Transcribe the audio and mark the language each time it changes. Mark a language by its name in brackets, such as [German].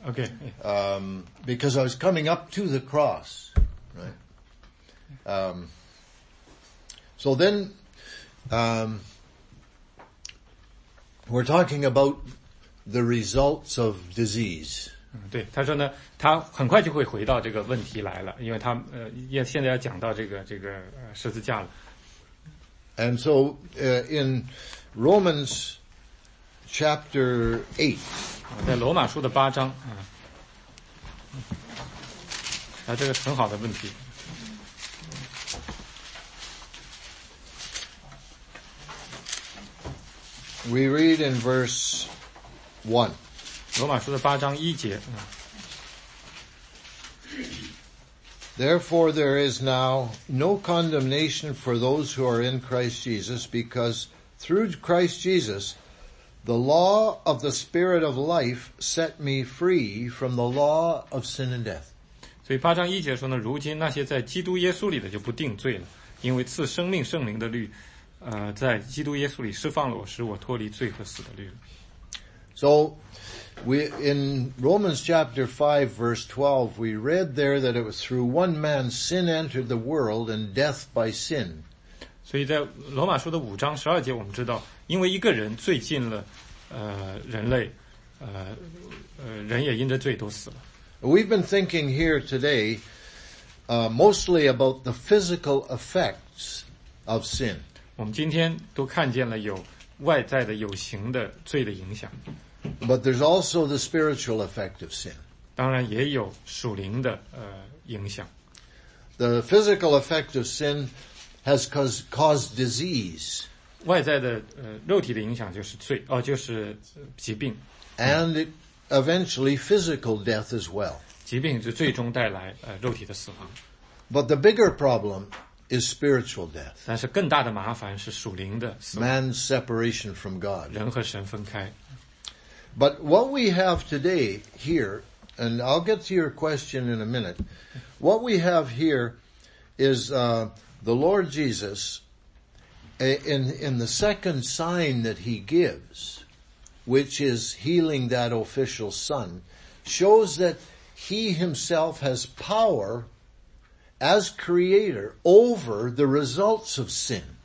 [English] Okay. Because I was coming up to the cross, right? So then, we're talking about the results of disease. [Chinese] 对，他说呢，他很快就会回到这个问题来了，因为他现在要讲到这个十字架了。 [English] And so, in Romans chapter 8, [Chinese] 在罗马书的八章啊，这个很好的问题。 [English] We read in verse 1. [Chinese] 罗马书的八章一节。 [English] Therefore there is now no condemnation for those who are in Christ Jesus, because through Christ Jesus, the law of the Spirit of life set me free from the law of sin and death. [Chinese] 所以八章一节说呢，如今那些在基督耶稣里的就不定罪了，因为赐生命圣灵的律在基督耶稣里释放了我，使我脱离罪和死的律。 [English] So, in Romans chapter 5, verse 12, we read there that it was through one man sin entered the world and death by sin. [Chinese] 所以在罗马书的五章十二节，我们知道，因为一个人罪进了人类，人也因着罪都死了。 [English] We've been thinking here today mostly about the physical effects of sin. [Chinese] 我们今天都看见了有外在的、有形的罪的影响。 [English] But there's also the spiritual effect of sin. [Chinese] 当然也有属灵的影响。 [English] The physical effect of sin has caused disease. [Chinese] 外在的肉体的影响就是罪，就是疾病。 [English] And eventually physical death as well. [Chinese] 疾病就最终带来肉体的死亡。 [English] But the bigger problem. Is spiritual death. [Chinese] 但是更大的麻烦是属灵的死亡。 [English] Man's separation from God. [Chinese] 人和神分开。 [English] But what we have today here, and I'll get to your question in a minute, what we have here is the Lord Jesus, in the second sign that he gives, which is healing that official son, shows that he himself has power as creator over the results of sin.